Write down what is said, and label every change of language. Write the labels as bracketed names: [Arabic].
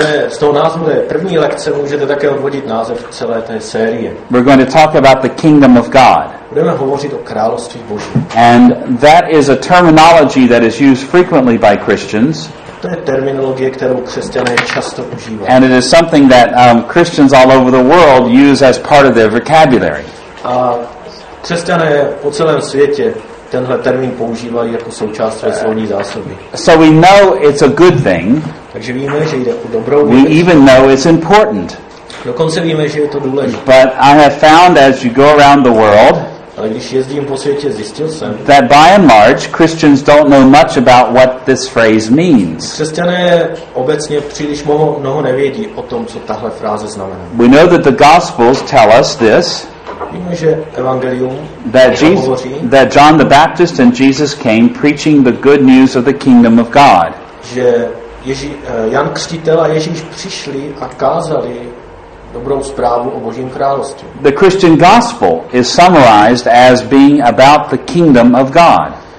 [Czech] Z toho názvu té první lekce můžete také odvodit název celé té série. [English] We're going to talk about the kingdom of God. [Czech] Budeme hovořit o království Boží. [English] And that is a terminology that is used frequently by Christians. [Czech] To je terminologie, kterou křesťané často užívají. [English] And it is something that Christians all over the world use as part of their vocabulary. [Czech] A křesťané po celém světě tenhle termín používají jako součást své slovní zásoby. [English] So we know it's a good thing. [Czech] Takže víme, že jde o dobrou věc. [English] We even know it's important. [Czech] Dokonce víme, že je to důležité. [English] But I have found as you go around the world, [Czech] ale když jezdím po světě, zjistil jsem, [English] that by and large Christians don't know much about what this phrase means. [Czech] Křesťané obecně příliš mnoho nevědí o tom, co tahle fráze znamená. [English] We know that the Gospels tell us this. [Czech] Víme, že evangelium [English] that John the Baptist and Jesus came preaching the good news of the kingdom of God. [Czech] Že Jan Křtitel a Ježíš přišli a kázali dobrou zprávu o Božím království. [English] The Christian gospel is summarized as being about the kingdom of God.